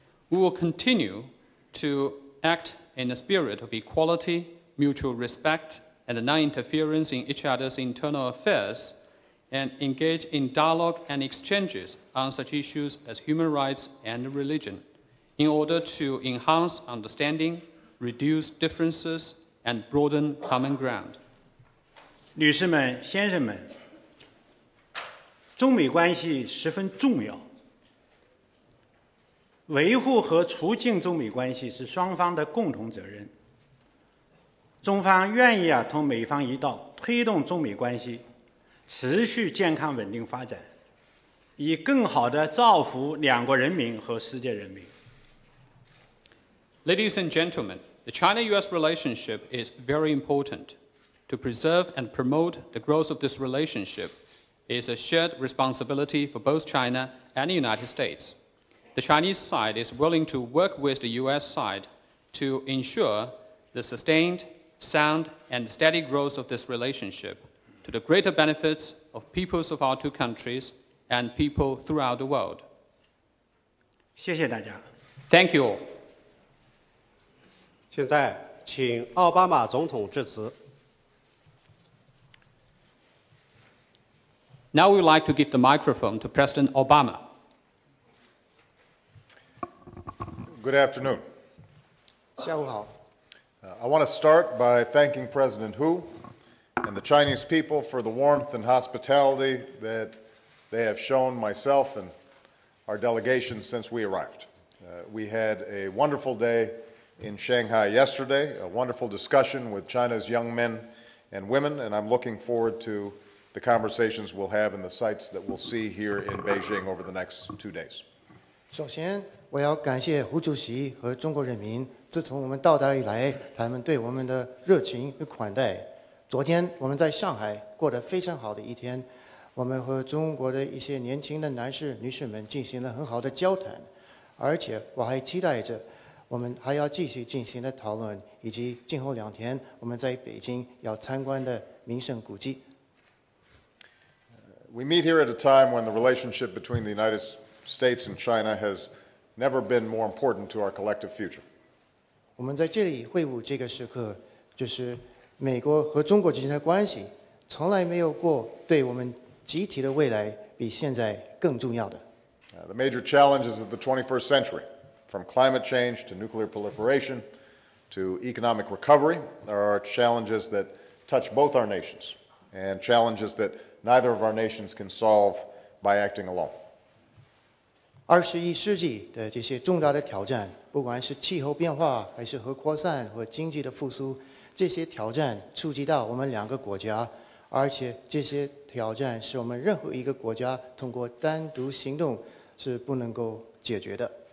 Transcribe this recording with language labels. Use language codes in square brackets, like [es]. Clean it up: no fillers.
[en] We will continue to act in a spirit of equality, mutual respect, and non-interference in each other's internal affairs, and engage in dialogue and exchanges on such issues as human rights and religion, in order to enhance understanding, reduce differences, and broaden common ground. [zh] 女士们、先生们，中美关系十分重要。维护和促进中美关系是双方的共同责任。中方愿意同美方一道推动中美关系持续健康稳定发展，以更好地造福两国人民和世界人民。 [en] Ladies and gentlemen, the China-U.S. relationship is very important. To preserve and promote the growth of this relationship is a shared responsibility for both China and the United States. The Chinese side is willing to work with the U.S. side to ensure the sustained, sound, and steady growth of this relationship. To the greater benefits of peoples of our two countries and people throughout the world. [zh] 谢谢大家。 [en] Thank you. [zh] 现在请奥巴马总统致辞。 [en] Now we would like to give the microphone to President Obama. Good afternoon. [zh] 下午好。 [en] I want to start by thanking President Hu. And the Chinese people for the warmth and hospitality that they have shown myself and our delegation since we arrived. We had a wonderful day in Shanghai yesterday, a wonderful discussion with China's young men and women, and I'm looking forward to the conversations we'll have and the sights that we'll see here in Beijing over the next 2 days. [zh] 首先，我要感谢胡主席和中国人民，自从我们到达以来，他们对我们的热情与款待。昨天我们在上海过得非常好的一天，我们和中国的一些年轻的男士、女士们进行了很好的交谈，而且我还期待着我们还要继续进行的讨论，以及今后两天我们在北京要参观的名胜古迹。 [en] We meet here at a time when the relationship between the United States and China has never been more important to our collective future. [zh] 我们在这里会晤这个时刻，就是。美国和中国之间的关系从来没有过对我们集体的未来比现在更重要的。 [en] The major challenges of the 21st century, from climate change to nuclear proliferation to economic recovery, are challenges that touch both our nations and challenges that neither of our nations can solve by acting alone. [zh] 二十一世纪的这些重大的挑战，不管是气候变化，还是核扩散和经济的复苏。这些挑战触及到我们两个国家，而且这些挑战是我们任何一个国家通过单独行动是不能够解决的。